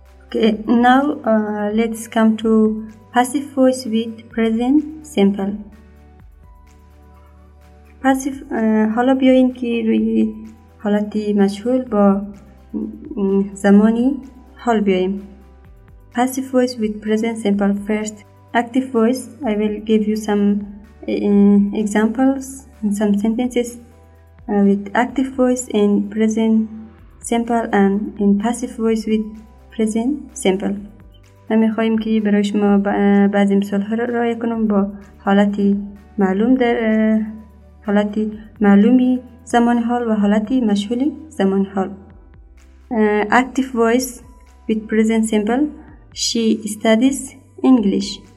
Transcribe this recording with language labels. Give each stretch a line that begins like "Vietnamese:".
English: Okay, now let's come to passive voice with present simple.
Persian: Passive حالا بیاین که روی حالتی مشهول با زمانی حال بیاییم.
English: Passive voice with present simple. First, active voice. I will give you some examples and some sentences with active voice in present simple and in passive voice with present simple.
Persian: ما میخواییم که برای شما بعضی مثال ها رو رای کنم با حالتی معلوم در حالتی معلومی زمان حال و حالتی مشهولی زمان حال.
English: Active voice with present simple. She studies English.